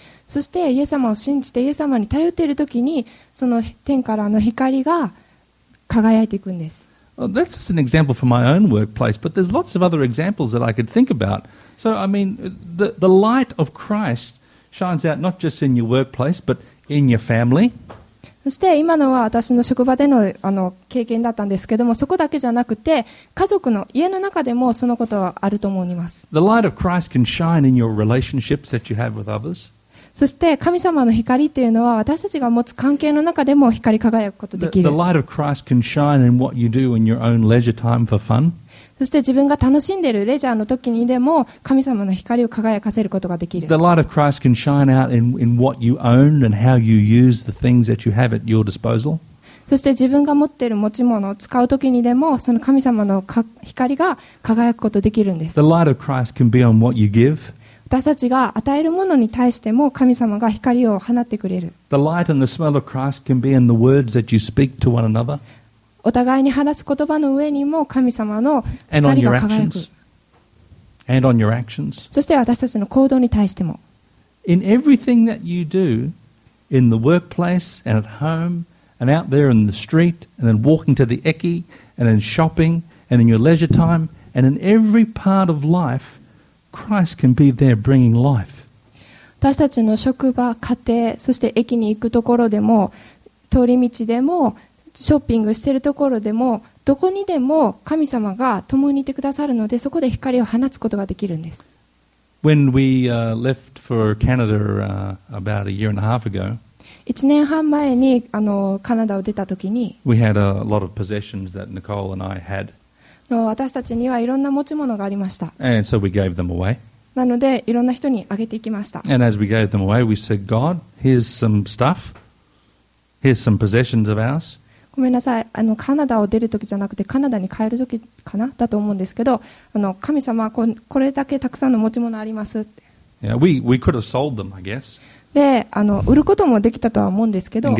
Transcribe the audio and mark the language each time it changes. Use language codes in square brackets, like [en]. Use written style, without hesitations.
[ja] そしてイエス様を信じてイエス様に頼っているときに、その天からの光が輝いていくんです。 [en] Well, that's just an example from my own workplace, but there's lots of other examples that I could think about. So, I mean, the light of Christ shines out not just in your workplace, but in your family. [ja] そして今のは私の職場での、あの、経験だったんですけども、そこだけじゃなくて、家族の家の中でもそのことはあると思います。 [en] The light of Christ can shine in your relationships that you have with others. [ja] そして神様の光っていうのは私たちが持つ関係の中でも光り輝くことができる。 [en] The light of Christ can shine in what you do in your own leisure time for fun. [ja] そして自分が楽しんでいるレジャーの時にでも神様の光を輝かせることができる。 [en] The light of Christ can shine out in what you own and how you use the things that you have at your disposal. [ja] そして自分が持っている持ち物を使う時にでもその神様の光が輝くことができるんです。 [en] The light of Christ can be on what you give. [ja] 私たちが与えるものに対しても神様が光を放ってくれる。 [en] The light and the smell of Christ can be in the words that you speak to one another. [ja] お互いに話す言葉の上にも神様の光が輝く。 [en] And on your actions. [ja] そして私たちの行動に対しても。 [en] In everything that you do, in the workplace and at home and out there in the street and then walking to the ecky and then shopping and in your leisure time and in every part of life,Christ can be there bringing life. [ja] 私たちの職場、家庭、そして駅に行くところでも、通り道でも、ショッピングしているところでも、どこにでも神様が共にいてくださるので、そこで光を放つことができるんです。 [en] When we left for Canada about a year and a half ago, [ja] 1年半前にあのカナダを出たときに、 [en] we had a lot of possessions that Nicole and I had. [ja] 私たちにはいろんな持ち物がありました。 [en] And so we gave them away. [ja] なのでいろんな人にあげていきました。 [en] And as we gave them away, we said, God, here's some stuff. Here's some possessions of ours. [ja] ごめんなさい。あのカナダを出るときじゃなくてカナダに帰るときかなだと思うんですけど、あの神様これだけたくさんの持ち物あります。 [en] Yeah, we could have sold them, I guess. [ja] で、あの売ることもできたとは思うんですけど。